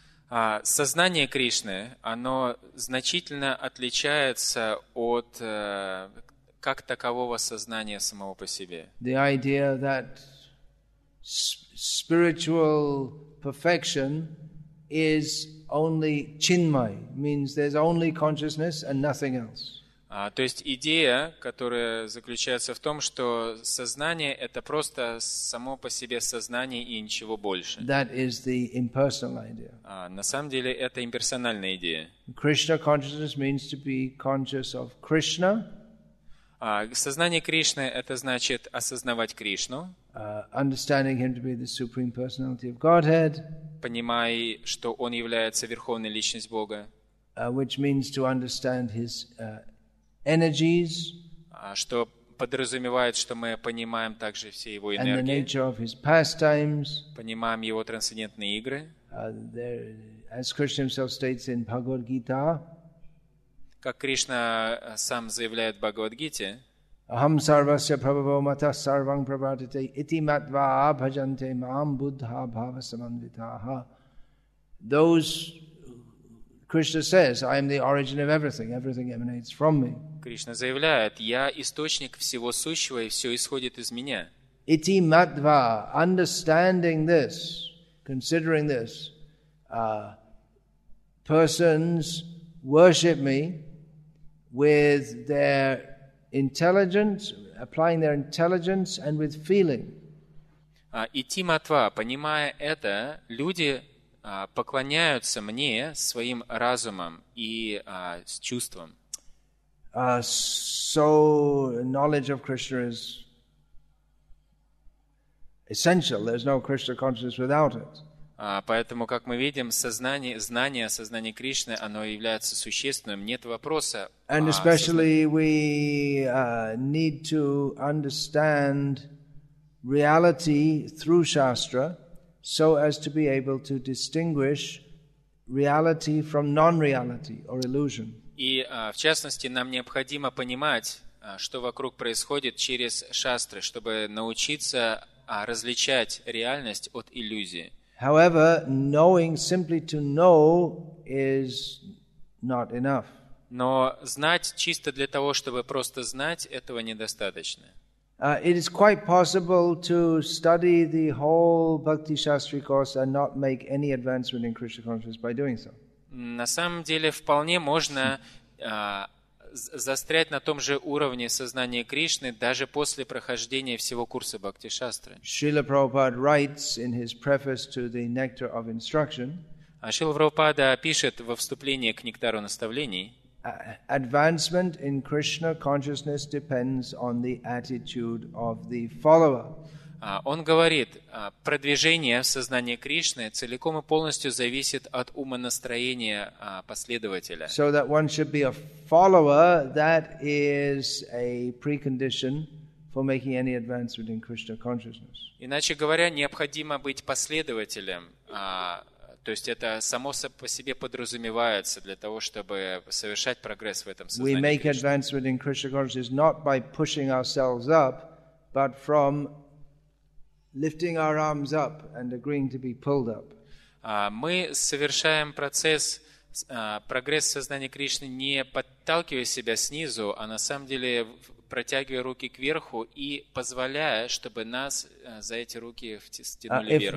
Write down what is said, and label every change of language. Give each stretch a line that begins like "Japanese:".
Russian: Сознание Кришны, оно значительно отличается от как такового сознания самого по себе.
English: The idea that spiritual perfection is only chinmay, means there's only consciousness and nothing else.
Russian: То есть идея, которая заключается в том, что сознание — это просто само по себе сознание и ничего больше.
English: That is the impersonal idea.
Russian: На самом деле это имперсональная идея.
English: Krishna consciousness means to be conscious of Krishna.
Russian: Сознание Кришны — это значит осознавать Кришну.
English: Understanding him to be the Supreme Personality of Godhead.
Russian: Понимая, что он является Верховной Личностью Бога.
English: Which means to understand his energies,
Russian: что подразумевает, что мы понимаем также все его энергии,
English: and the nature of his pastimes,
Russian: понимаем его трансцендентные игры,
English: there, as Krishna himself states in Bhagavad Gita,
Russian: как Кришна сам заявляет в Бхагавад Гите,
Sanskrit: Aham sarvasya prabhava mata sarvang prabhatate iti matva bhajante mam buddha bhava samanvitaha.
English: Those Krishna says, I am the origin of everything. Everything emanates from me.
Russian: Кришна заявляет, я источник всего сущего, и все исходит из меня.
Sanskrit: Iti matva,
English: understanding this, considering this, persons worship me with their intelligence, applying their intelligence and with feeling.
Sanskrit: Iti matva,
Russian: понимая это, люди поклоняются мне своим разумом и с чувством.
English: So knowledge of Krishna is essential. There's no Krishna consciousness without it.
Russian: Поэтому, как мы видим, сознание, знание, сознание Кришны, оно является существенным, нет вопроса.
English: And especially we need to understand reality through Shastra so as to be able to distinguish reality from non-reality or illusion.
Russian: И, в частности, нам необходимо понимать, что вокруг происходит через Шастры, чтобы научиться различать реальность от иллюзии.
English: However, knowing simply to know is not enough.
Russian: Но знать чисто для того, чтобы просто знать, этого недостаточно.
English: It is quite possible to study the whole Bhakti Shastri course and not make any advancement in Krishna consciousness by doing so.
Russian: На самом деле вполне можно застрять на том же уровне сознания Кришны даже после прохождения всего курса Бхакти Шастры.
English: Шрила Прабхупада writes in his preface to the Nectar of Instruction.
Russian: А Шрила Прабхупада пишет во вступлении к Нектару наставлений.
English: Advancement in Krishna consciousness depends on the attitude of the follower.
Russian: Он говорит, продвижение в сознании Кришны целиком и полностью зависит от умонастроения последователя.
English: So that one should be a follower, that is a precondition for making any advancement in Krishna consciousness.
Russian: Иначе говоря, необходимо быть последователем, то есть это само по себе подразумевается для того, чтобы совершать прогресс в этом сознании Кришны.
English: We make advancement in Krishna consciousness not by pushing ourselves up, but from lifting our arms up and agreeing to be pulled up.
Russian: Мы совершаем процесс прогресс сознания Кришны, не подталкивая себя снизу, а на самом деле протягивая руки кверху и позволяя, чтобы нас за эти руки втянули вверх.